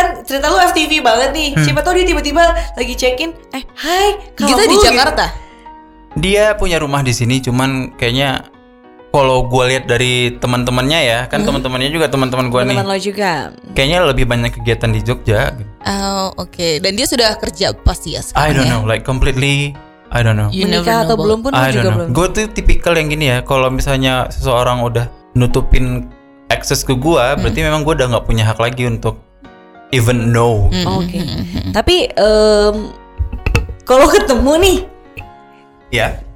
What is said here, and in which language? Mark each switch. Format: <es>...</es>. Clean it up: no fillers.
<id>Kan cerita lo FTV banget nih. Siapa tahu dia tiba-tiba lagi check-in, "Hai, kamu Gita di Jakarta?" Dia punya rumah di sini, cuman kayaknya kalau gue lihat dari teman-temannya ya, kan teman-temannya juga teman-teman gue nih. Teman lo juga. Kayaknya lebih banyak kegiatan di Jogja. Oh, oke. Okay. Dan dia sudah kerja pasti ya sekarang.</id> <en>I don't know, like completely, I don't know.</en> <id>Menikah atau belum pun</id> <en>I don't</en> <id>juga</id> <en>know.</en> <id>Belum. Gue tuh tipikal yang gini ya, kalau misalnya seseorang udah nutupin akses ke gue, berarti memang gue udah nggak punya hak lagi untuk</id> <en>even know.</en> <id>Oke. Okay. Tapi kalau ketemu nih, ya,</id>